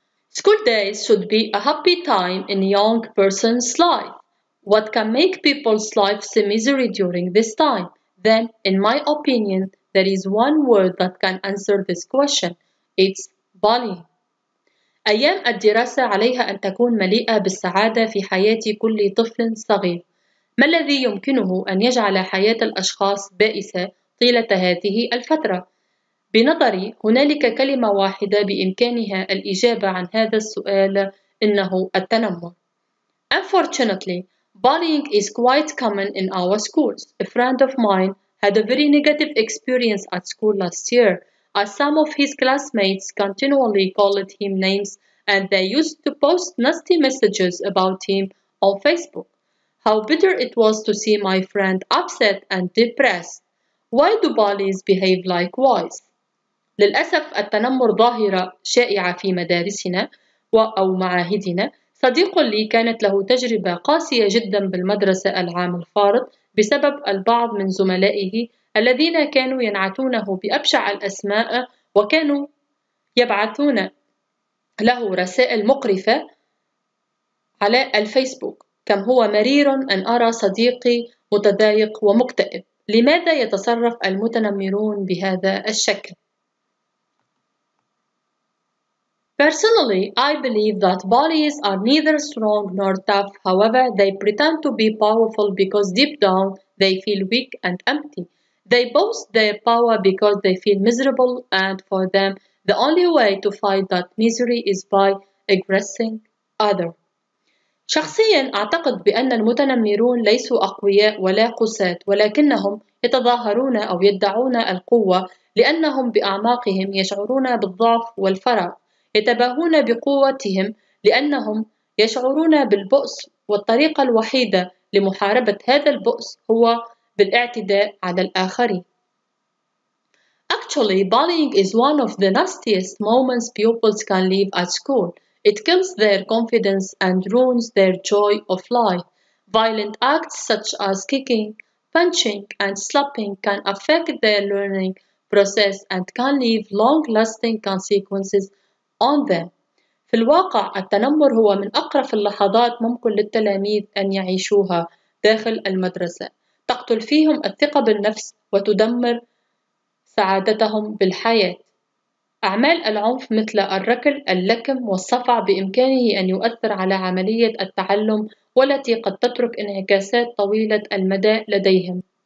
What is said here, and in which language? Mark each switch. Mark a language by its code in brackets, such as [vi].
[en] School days should be a happy time in a young person's life. What can make people's lives a misery during this time? Then, in my opinion, there is one word that can answer this question. It's bullying. [ar] أيام الدراسة عليها أن تكون مليئة بالسعادة في حياة كل طفل صغير. ما الذي يمكنه أن يجعل حياة الأشخاص بائسة طيلة هذه الفترة؟ بنظري هنالك كلمة واحدة بإمكانها الإجابة عن هذا السؤال، إنه التنمر. [en] Unfortunately, bullying is quite common in our schools. A friend of mine had a very negative experience at school last year, as some of his classmates continually called him names and they used to post nasty messages about him on Facebook. How bitter it was to see my friend upset and depressed. Why do bullies behave likewise? [ar] للأسف التنمر ظاهرة شائعة في مدارسنا أو معاهدنا. صديق لي كانت له تجربة قاسية جدا بالمدرسة العام الفارط بسبب البعض من زملائه الذين كانوا ينعتونه بأبشع الأسماء وكانوا يبعثون له رسائل مقرفة على الفيسبوك. كم هو مرير أن أرى صديقي متضايق ومكتئب. لماذا يتصرف المتنمرون بهذا الشكل؟ [en] Personally, I believe that bullies are neither strong nor tough. However, they pretend to be powerful because deep down they feel weak and empty. They boast their power because they feel miserable, and for them, the only way to fight that misery is by aggressing others. [ar] شخصياً أعتقد بأن المتنمرون ليسوا أقوياء ولا قساة، ولكنهم يتظاهرون أو يدعون القوة لأنهم بأعماقهم يشعرون بالضعف والفراغ. يتباهون بقوتهم لأنهم يشعرون بالبؤس، والطريقة الوحيدة لمحاربة هذا البؤس هو بالاعتداء على الآخرين. [en] Actually, bullying is one of the nastiest moments pupils can live at school. It kills their confidence and ruins their joy of life. Violent acts such as kicking, punching, and slapping can affect their learning process and can leave long-lasting consequences on them. [ar] في الواقع، التنمر هو من أقرف اللحظات ممكن للتلاميذ أن يعيشوها داخل المدرسة. تقتل فيهم الثقة بالنفس وتدمر سعادتهم بالحياة. أعمال العنف مثل الركل، اللكم، والصفع بإمكانه أن يؤثر على عملية التعلم والتي قد تترك انعكاسات طويلة المدى لديهم.